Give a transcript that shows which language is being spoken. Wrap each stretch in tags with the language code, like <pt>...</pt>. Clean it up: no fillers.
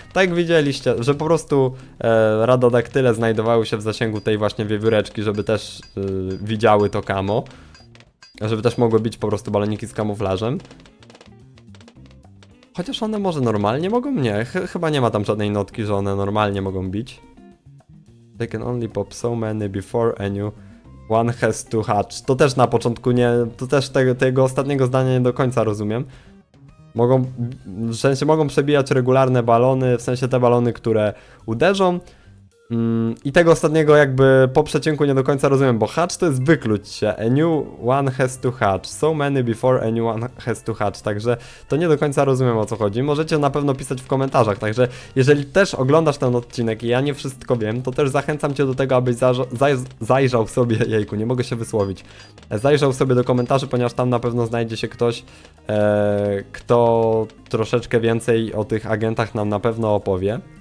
<pl>Tak jak widzieliście, że po prostu radodaktyle znajdowały się w zasięgu tej właśnie wiewióreczki, żeby też widziały to kamo. Żeby też mogły bić po prostu baloniki z kamuflażem. Chociaż one może normalnie mogą? Nie, chyba nie ma tam żadnej notki, że one normalnie mogą bić.</pl> <en>They can only pop so many before a new one has to hatch.</en> <pl>To też na początku nie, to też tego ostatniego zdania nie do końca rozumiem. Mogą, w sensie mogą przebijać regularne balony, w sensie te balony, które uderzą. I tego ostatniego jakby po przecinku nie do końca rozumiem, bo hatch to jest wykluć się.</pl> <en>A new one has to hatch. So many before a new one has to hatch.</en> <pl>Także to nie do końca rozumiem o co chodzi. Możecie na pewno pisać w komentarzach. Także jeżeli też oglądasz ten odcinek i ja nie wszystko wiem, to też zachęcam cię do tego, abyś zajrzał sobie, jejku, nie mogę się wysłowić, zajrzał sobie do komentarzy, ponieważ tam na pewno znajdzie się ktoś, kto troszeczkę więcej o tych agentach nam na pewno opowie.</pl>